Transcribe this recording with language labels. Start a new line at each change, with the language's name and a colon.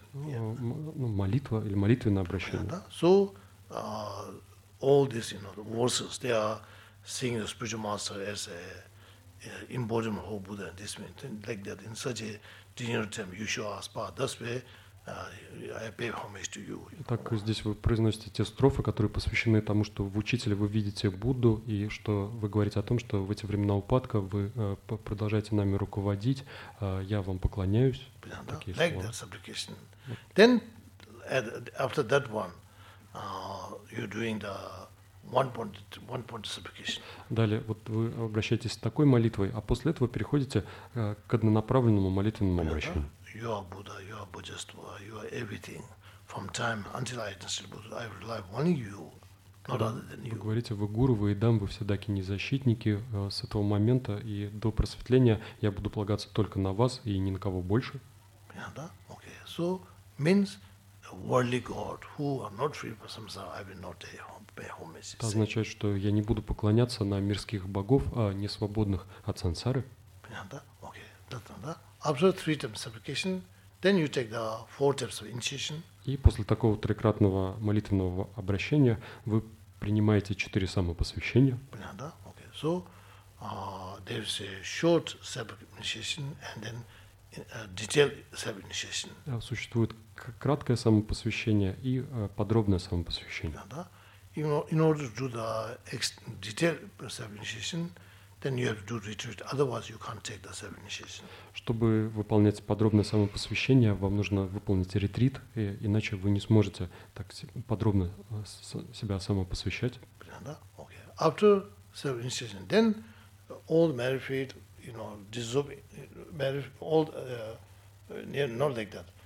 Russian: Ну, молитва или молитвенное обращение.
English: Yeah,
Russian: да?
English: So all these, you know, verses, they are seeing the spiritual master as a embodiment of Buddha. This way, like that, in such a general term, you show us path. That's why I pay homage to you.
Russian: Так здесь вы произносите те строфы, которые посвящены тому, что в учителе вы видите Будду и что вы говорите о том, что в эти времена упадка вы продолжаете нами руководить. Я вам поклоняюсь.
English: Yeah,
Russian: да?
English: Like that supplication. Then, after that one, you're doing the one-point supplication.
Russian: Далее, вот вы обращаетесь с такой молитвой, а после этого переходите к однонаправленному молитвенному обращению.
English: You are Buddha, you are Bodhisattva, you are everything. From time until I attain Buddha, I rely only you, not other than you.
Russian: Вы говорите, вы гуру, вы идам, вы все дакини защитники. С этого момента и до просветления я буду полагаться только на вас и ни на кого больше. Понятно, да?
English: Okay. So, means a worldly god who are not free from samsara, I will not pay homage.
Russian: Это означает, что я не буду поклоняться на мирских богов, а не свободных от сансары. Понятно, да?
English: Okay.
Russian: Да.
English: After three times supplication, then you take the four types of initiation.
Russian: И после такого трикратного молитвенного обращения вы принимаете четыре самопосвящения. Понятно, да?
English: Okay. So there is a short initiation and then detailed self-initiation.
Russian: Существует краткое самопосвящение и подробное самопосвящение. Да.
English: In order to do the detailed self-initiation, then you have to do retreat. Otherwise, you can't take the self-initiation.
Russian: Чтобы выполнять подробное самопосвящение, вам нужно выполнить ретрит, иначе вы не сможете так подробно себя самопосвящать. Да.
English: Okay. After self-initiation, then all merit retreat. You know, not like that.